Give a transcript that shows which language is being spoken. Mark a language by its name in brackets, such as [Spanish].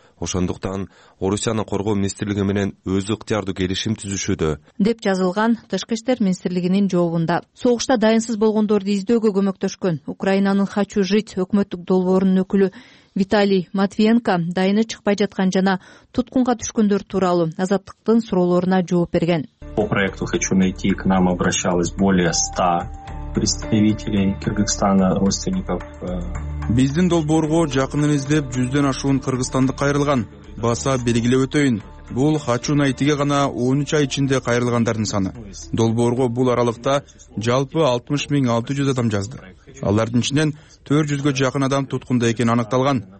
[Kyrgyz] Ошондуктан Орусиянын коргоо министрлиги менен өз ыктыярдуу келишим түзүшүүдө деп жазылган тышкы иштер министрлигинин жообунда. Согушта дайынсыз болгондорду издөөгө көмөктөшкөн Украинанын Хочу жить өкмөттүк долбоорунун өкүлү Виталий Матвиенко дайыны чыкпай жаткан жана туткунга түшкөндөр тууралуу азаттыктын суроолоруна жооп берген. [Russian] По проекту Хочу найти к нам обращалось более 100 представителей Кыргызстана родственников. [Kyrgyz] Биздин долбоорго жакынын издеп 100 ашуун кыргызстандык кайрылган. Баса белгилеп өтөйүн. Бул Хачунайтиге гана 13 ай ичинде кайрылгандардын саны. Долбоорго бул аралыкта жалпы 60600 адам жазды. Алардын ичинен 400 жакын адам туткунда экени аныкталган.